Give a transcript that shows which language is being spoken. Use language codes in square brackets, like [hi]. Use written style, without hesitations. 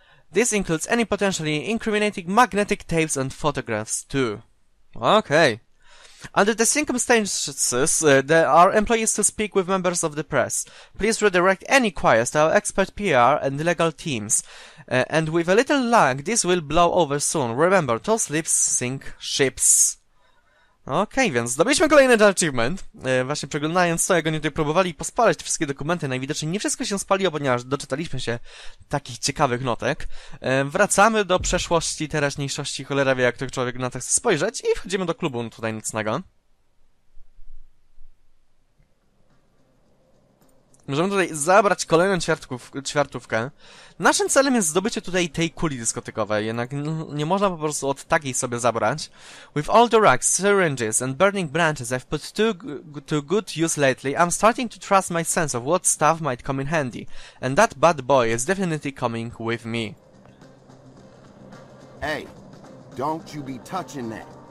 [en] This includes any potentially incriminating magnetic tapes and photographs, too. Okay. Under the circumstances, there are employees to speak with members of the press. Please redirect any queries to our expert PR and legal teams. And with a little luck, this will blow over soon. Remember, those lips sink ships. [pl] Okej, więc zdobyliśmy kolejny achievement. Właśnie przeglądając to, jak oni tutaj próbowali pospalać te wszystkie dokumenty, najwidoczniej nie wszystko się spaliło, ponieważ doczytaliśmy się takich ciekawych notek. Wracamy do przeszłości, teraźniejszości, cholera wie jak to człowiek na to chce spojrzeć i wchodzimy do klubu tutaj nocnego. Możemy tutaj zabrać kolejną ćwiartówkę. Naszym celem jest zdobycie tutaj tej kuli dyskotekowej, jednak nie można po prostu od takiej sobie zabrać. [en] With all the rocks, syringes and burning branches I've put to good use lately, I'm starting to trust my sense of what stuff might come in handy. And that bad boy is definitely coming with me. Hey, don't you be touching that.